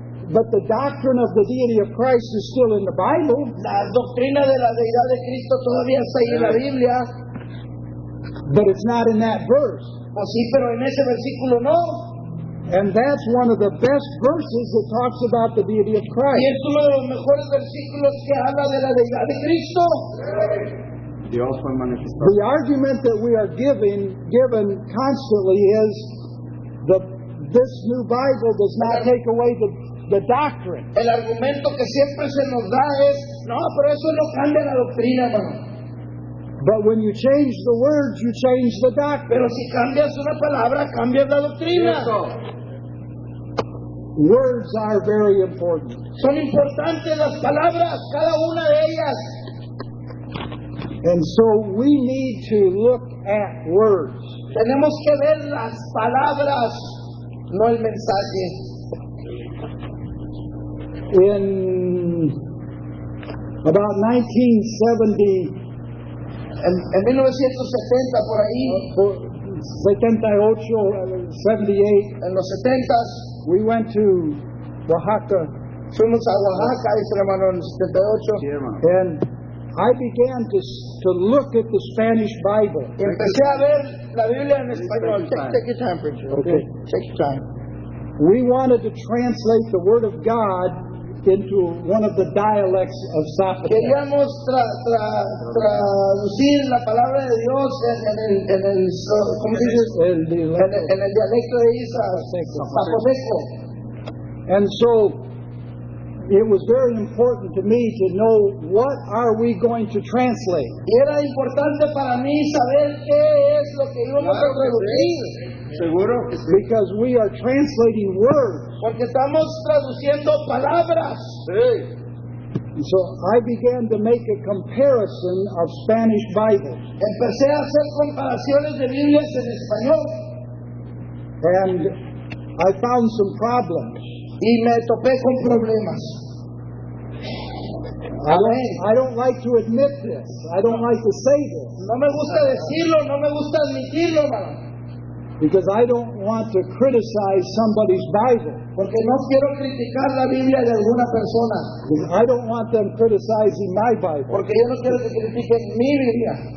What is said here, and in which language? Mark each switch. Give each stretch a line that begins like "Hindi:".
English: But the doctrine of the deity of Christ is still in the Bible.
Spanish: La doctrina de la deidad de Cristo todavía está ahí en la Biblia.
English: But it's not in that verse.
Spanish: Oh, sí, pero en ese versículo no.
English: And that's one of the best verses that talks about the deity of Christ.
Spanish: Y es uno de los mejores versículos que habla de la deidad de Cristo. Dios fue manifestado.
English: The argument that we are given constantly is that this new Bible does not take away the doctrine.
Spanish: El argumento que siempre se nos da es, no, pero eso no cambia la doctrina, hermano.
English: But when you change the words, you change the doctrine.
Spanish: Pero si cambias una palabra, cambias la doctrina. Cierto.
English: Words are very important.
Spanish: Son importantes las palabras, cada una de ellas.
English: And so we need to look at words.
Spanish: Tenemos que ver las palabras, no el mensaje.
English: In about 1970,
Spanish: en 1970 por ahí,
English: 78, 78,
Spanish: en los 70s,
English: we went to Oaxaca.
Spanish: Fuimos a Oaxaca, dice el hermano, en 78.
English: Yeah, and I began to look at the Spanish Bible.
Spanish: Empecé a ver la Biblia en español.
English: Take your time, preacher. Okay. Take your time. We wanted to translate the Word of God into one of the dialects of Zapotec.
Spanish: Queríamos traducir la palabra de Dios en el dialecto de Isaac, Zapoteco.
English: And so it was very important to me to know what are we going to translate.
Spanish: Y era importante para mí saber qué es lo que íbamos a traducir. Seguro.
English: Because we are translating words.
Spanish: Porque estamos traduciendo palabras. Sí.
English: So I began to make a comparison of Spanish Bibles.
Spanish: Empecé a hacer comparaciones de Biblias en español.
English: And I found some problems.
Spanish: Y me topé con problemas.
English: I don't like to admit this. I don't like to say this.
Spanish: No me gusta decirlo, no me gusta admitirlo, man.
English: Because I don't want to criticize somebody's Bible.
Spanish: Porque no quiero criticar la Biblia de alguna persona.
English: I don't want them criticizing my Bible.
Spanish: Porque yo no quiero que critiquen mi Biblia.